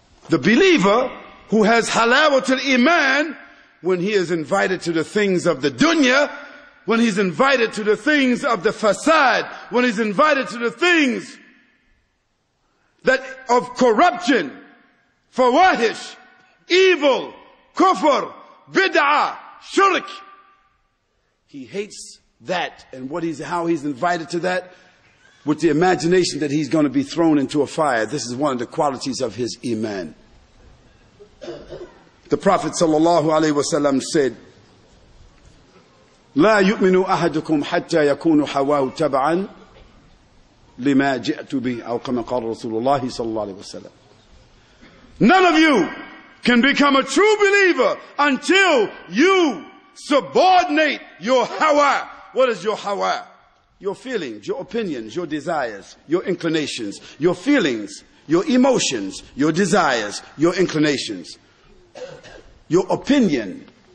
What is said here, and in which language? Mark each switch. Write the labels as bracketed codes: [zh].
[en] The believer who has halawatul iman, when he is invited to the things of the dunya, when he's invited to the things of the fasad, when he's invited to the things that of corruption, fawahish, evil, kufr, bid'ah, shirk, he hates that and how he's invited to that, with the imagination that he's going to be thrown into a fire. This is one of the qualities of his iman. The Prophet sallallahu alaihi wasallam said, [ar] لا يؤمن أحدكم حتى يكون حواه تبعا لما جئت به أو كما قال رسول الله صلى الله عليه وسلم. [en] None of you can become a true believer until you subordinate your hawa. What is your hawa? Your feelings, your opinions, your desires, your inclinations, your feelings, your emotions, your desires, your inclinations, your opinion.